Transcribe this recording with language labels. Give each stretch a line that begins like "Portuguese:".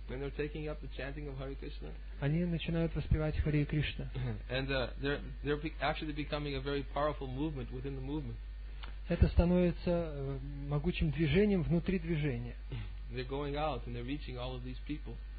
English: When they're taking up the chanting of Hare Krishna.
Russian: Они начинают воспевать Харе Кришна.
English: And they're actually becoming a very powerful movement within the movement.
Russian: Это становится могучим движением внутри движения.
English: They're going out and they're reaching all of these people.